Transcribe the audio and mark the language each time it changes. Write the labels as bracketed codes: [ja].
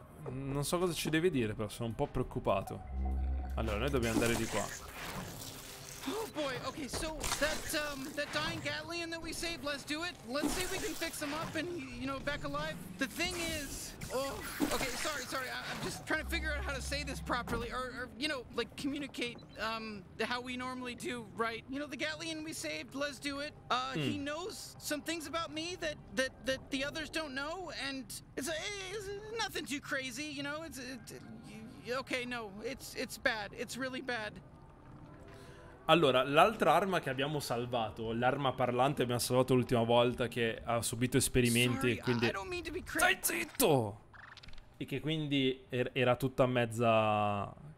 [it] Non so cosa ci deve dire, però sono un po' preoccupato. Allora, noi dobbiamo andare di qua. [en] Oh boy, okay, so that dying Gatlian that we saved, let's do it. Let's see if we can fix him up and, you know, back alive. The thing is, oh, okay, sorry, I'm just trying to figure out how to say this properly, or you know, like, communicate, how we normally do, right? You know, the Gatlian we saved, let's do it. He knows some things about me that the others don't know, and it's nothing too crazy, you know? It's bad, it's really bad. [it] Allora, l'altra arma che abbiamo salvato, l'arma parlante che abbiamo salvato l'ultima volta, che ha subito esperimenti, [en] sorry, [it] quindi... Stai zitto! E che quindi era tutta mezza...